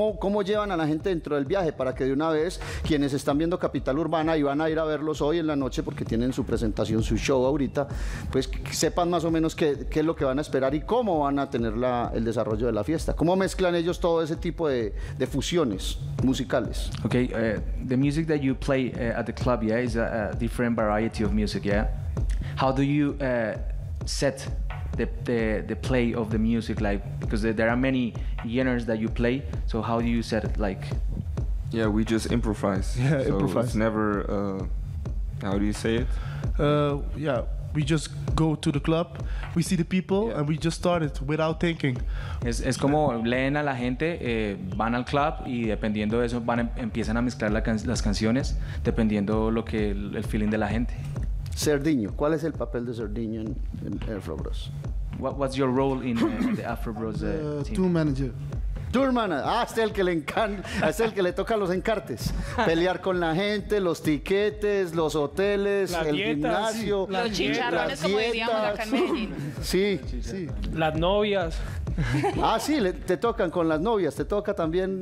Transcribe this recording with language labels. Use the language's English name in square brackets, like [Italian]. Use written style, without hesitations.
[Spanish] ¿Cómo llevan a la gente dentro del viaje para que de una vez quienes están viendo Capital Urbana y van a ir a verlos hoy en la noche porque tienen su presentación, su show ahorita, pues sepan más o menos qué es lo que van a esperar y cómo van a tener el desarrollo de la fiesta? ¿Cómo mezclan ellos todo ese tipo de fusiones musicales? [English] Okay, the music that you play at the club, yeah, is a different variety of music, yeah. How do you set the play of the music, like, because there are many genres that you play, so how do you set it, like? Yeah, we just improvise. Yeah, so improvise. It's never, how do you say it? Yeah, we just go to the club, we see the people, yeah. And we just start it without thinking. [Spanish] Es como leen a la gente, van al club y dependiendo de eso empiezan a mezclar las canciones, dependiendo lo que el feeling de la gente. Cerdinho, ¿cuál es el papel de Cerdinho en Afro Bros? [English] What's your role in the Afro Bros team? Tour manager. Tour manager. [Spanish] Ah, es el que le encanta, es el que le toca los encartes, pelear con la gente, los tiquetes, los hoteles, la el dieta, gimnasio, sí. Los chicharrones, como diríamos acá en Medellín. Sí, sí. Las novias. Ah, sí, te tocan con las novias, te toca también.